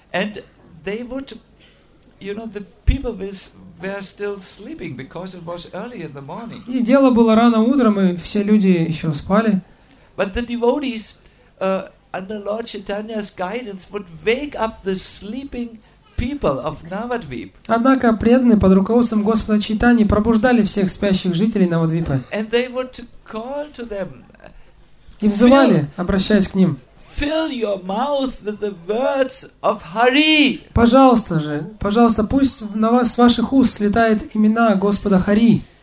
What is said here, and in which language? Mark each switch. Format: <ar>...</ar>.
<en>And they would, you know, the people were still sleeping because it was early in the morning.</en> <ru>И дело было рано утром, и все люди еще спали.</ru> <en>But the devotees, under Lord Chaitanya's guidance, would wake up the sleeping people of Navadvip.</en> <ru>Однако преданные под руководством Господа Чайтани пробуждали всех спящих жителей Навадвипа.</ru> <en>And they would call to them.</en> <ru>И взывали, обращаясь к ним.</ru> <en>Fill your mouth with the words of Hari.</en> <ru>Пожалуйста же, пожалуйста, пусть на вас с ваших уст слетают имена Господа Хари.</ru>